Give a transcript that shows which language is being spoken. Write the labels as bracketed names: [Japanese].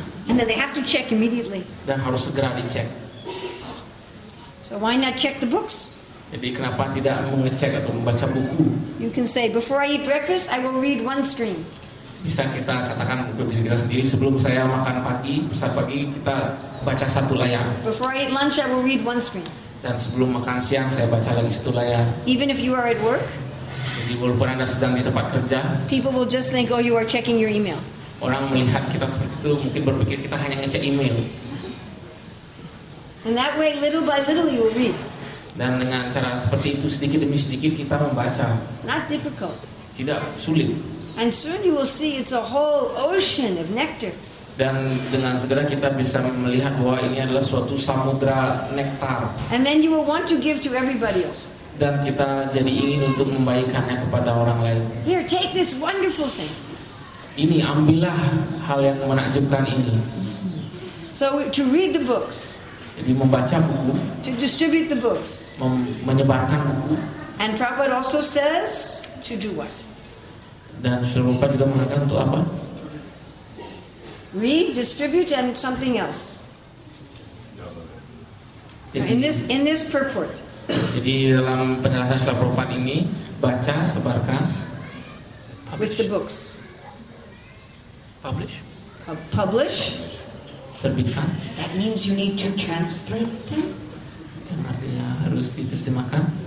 [English] And then they have to check immediately. [Indonesian] Dan harus segera dicek. [English] So why not check the books? [Indonesian] Jadi kenapa tidak mengecek atau membaca buku? [English] You can say before I eat breakfast, I will read one screen. [Indonesian] Bisa kita katakan untuk diri kita sendiri sebelum saya makan pagi, besar pagi kita baca satu layar. [English] Before I eat lunch, I will read one screen. [Indonesian] Dan sebelum makan siang saya baca lagi satu layar. [English] Even if you are at work. [Indonesian] Jadi walaupun Anda sedang di tempat kerja. [English] People will just think, oh, you are checking your email. [Indonesian] Orang melihat kita seperti itu mungkin berpikir kita hanya ngecek email. [English] And that way, little by little, you will read. [Indonesian] Dan dengan cara seperti itu sedikit demi sedikit kita membaca. [English] Not difficult. [Indonesian] Tidak sulit. [English] And soon you will see it's a whole ocean of nectar. [Indonesian] Dan dengan segera kita bisa melihat bahwa ini adalah suatu samudra nektar. [English] And then you will want to give to everybody else. [Indonesian] Dan kita jadi ingin untuk membaikannya kepada orang lain. [English] Here, take this wonderful thing. [Indonesian] Ini ambillah hal yang menakjubkan ini. [English] So to read the books. [Indonesian] Jadi membaca buku. [English] To distribute the books. [Indonesian] Menyebarkan buku. [English] And Prabhupada also says to do what? [Indonesian] Dan Srila Prabhupada juga mengatakan untuk apa? [English] Read, distribute, and something else. Jadi, in this purport. [Indonesian] Jadi dalam penjelasan Srila Prabhupada ini, baca, sebarkan. [English] Publish. With the books. Publish. Publish. [Indonesian] Terbitkan. [English] That means you need to translate them. [Indonesian] Yang artinya harus diterjemahkan.